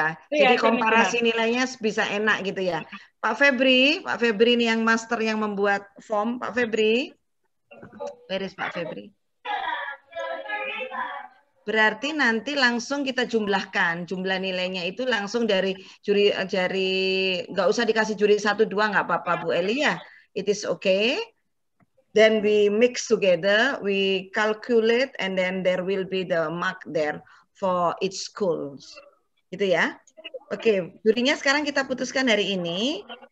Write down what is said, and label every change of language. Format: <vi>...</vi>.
<id>Jadi komparasi nilainya bisa enak gitu ya. Pak Febri ini yang master yang membuat form.</id> <en>Pak Febri, where is Pak Febri?</en> <id>Berarti nanti langsung kita jumlahkan jumlah nilainya itu langsung dari juri, dari nggak usah dikasih juri satu dua, nggak apa-apa Bu Elia.</id> <en>It is okay. Then we mix together, we calculate, and then there will be the mark there for each schools.</en> <id>Gitu ya. Oke, okay, jurinya sekarang kita putuskan dari ini.</id>